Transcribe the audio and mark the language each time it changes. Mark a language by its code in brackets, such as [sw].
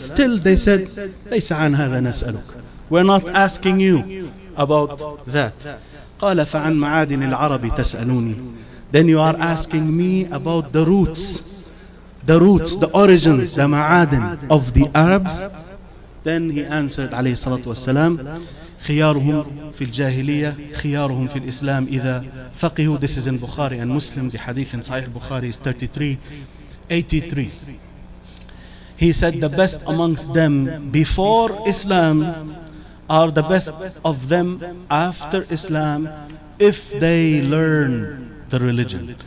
[en] Still, they said, [ar] laysa an hadha nas'aluk. [en] We're not asking you about that. [ar] Qala fa'an ma'adin al-arabi tas'aluni. [en] Then you are asking me about the roots, the origins, the ma'adin of the Arabs. Then he answered, [ar] alayhi salatu wassalam, خيارهم في الجاهلية خيارهم في الإسلام إذا فقهوا. [en] This is in Bukhari and Muslim. The hadith in Sahih Bukhari is 33:83. He said, the best amongst them before Islam are the best of them after Islam if they learn the religion.